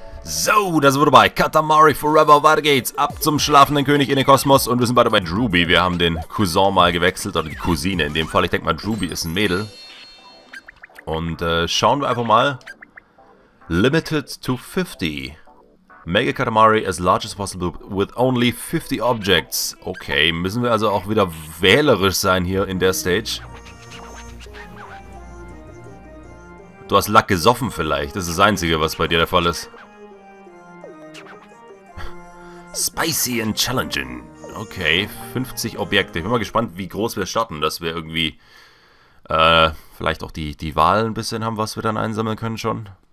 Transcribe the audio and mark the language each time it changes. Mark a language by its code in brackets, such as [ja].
[de] So, das wurde bei Katamari Forever. Weiter geht's. Ab zum schlafenden König in den Kosmos. Und wir sind weiter bei Drewby. Wir haben den Cousin mal gewechselt. Oder die Cousine in dem Fall. Ich denke mal, Drewby ist ein Mädel. Und schauen wir einfach mal. [en] Limited to 50. Mega Katamari as large as possible with only 50 objects. [de] Okay, müssen wir also auch wieder wählerisch sein hier in der Stage. Du hast Lack gesoffen vielleicht. Das ist das Einzige, was bei dir der Fall ist. [en] Spicy and challenging. [de] Okay, 50 Objekte. Ich bin mal gespannt, wie groß wir starten, dass wir irgendwie vielleicht auch die Wahl ein bisschen haben, was wir dann einsammeln können schon.